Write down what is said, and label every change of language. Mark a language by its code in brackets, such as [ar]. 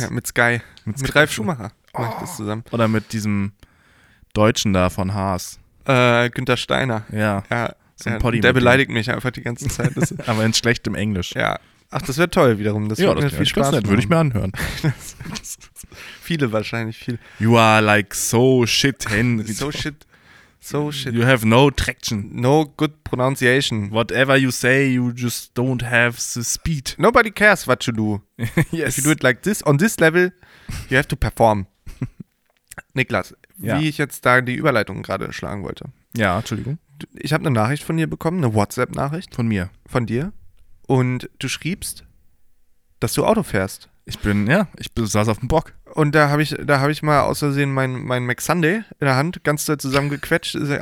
[de] Ja, mit Sky. Mit Ralf Schumacher. Oh. Mach ich das zusammen. Oder mit diesem Deutschen da von Haas. Günther Steiner. Ja. Ja, so ein Potty, der beleidigt mich einfach die ganze Zeit. Aber in schlechtem Englisch. Ja. Ach, das wäre toll wiederum. Das ja, wird das mir viel Spaß. Das würde ich mir anhören. Viele wahrscheinlich, viele. [en] You are like so shit, Henry. So shit. So shit. You have no traction. No good pronunciation. Whatever you say, you just don't have the speed. Nobody cares what you do. Yes. If you do it like this, on this level, you have to perform. [de] Niklas, ja, wie ich jetzt da die Überleitung gerade schlagen wollte. Ja, Entschuldigung. Ich habe eine Nachricht von dir bekommen, eine WhatsApp-Nachricht. Von mir. Von dir. Und du schriebst, dass du Auto fährst. Ich saß auf dem Bock. Und da habe ich mal aus Versehen mein McSunday in der Hand ganz doll zusammengequetscht.